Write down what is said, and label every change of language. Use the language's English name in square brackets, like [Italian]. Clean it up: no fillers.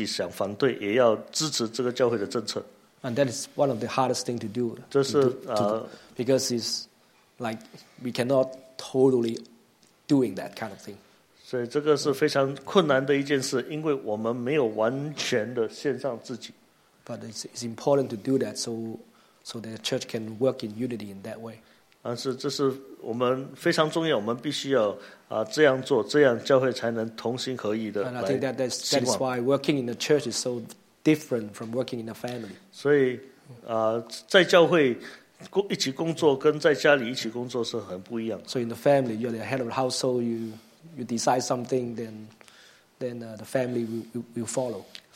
[Chinese] 所以在教会呢，我们可能要支持某一些政策，但是可能这个政策我们自己个人是反对，但是全体教会如果同意的话，我们必须即使自己想反对，也要支持这个教会的政策。 [English] And that is one of the hardest thing to do. [Chinese] 这是 [English] because it's like we cannot totally doing that kind of thing. [Chinese] 所以这个是非常困难的一件事，因为我们没有完全的献上自己。 [English] But it's important to do that so that the church can work in unity in that way. [Chinese] 但是这是我们非常重要，我们必须要这样做，这样教会才能同心合意的。 [English] And I think that's why working in the church is so different from working in the family. [Chinese] 所以在教会一起工作跟在家里一起工作是很不一样。 [English] So in the family, you're the head of the household, you decide something, then the family will follow.